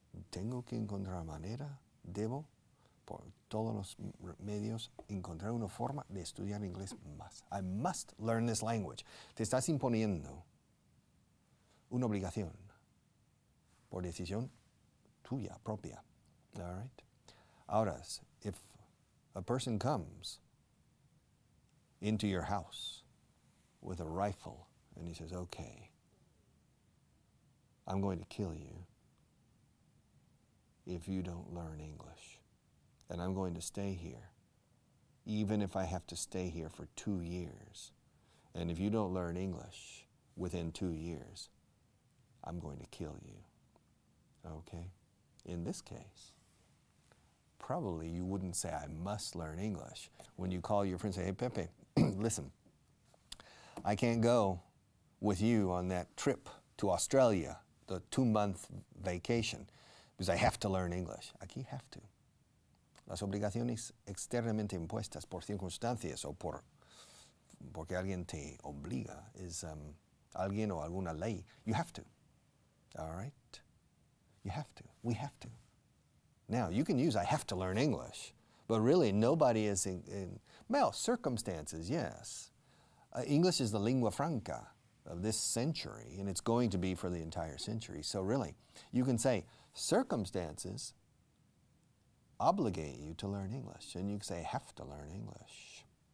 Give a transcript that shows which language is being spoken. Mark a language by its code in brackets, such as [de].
[es] Tengo que encontrar manera, debo, por todos los medios, encontrar una forma de estudiar inglés más. [en] I must learn this language. [es] Te estás imponiendo una obligación por decisión tuya, propia. [en] All right? Ahora, if a person comes into your house with a rifle, and he says, okay, I'm going to kill you if you don't learn English. And I'm going to stay here, even if I have to stay here for 2 years. And if you don't learn English within 2 years, I'm going to kill you. Okay? In this case, probably you wouldn't say, I must learn English. When you call your friend and say, hey, Pepe, listen, I can't go with you on that trip to Australia, the two-month vacation, because I have to learn English. Aquí have to. [es] Las obligaciones externamente impuestas por circunstancias o porque alguien te obliga es alguien o alguna ley. [en] You have to. All right? You have to. We have to. Now, you can use I have to learn English, but really nobody is in well, circumstances, yes. English is the lingua franca of this century, and it's going to be for the entire century. So really, you can say, circumstances obligate you to learn English, and you can say, have to learn English.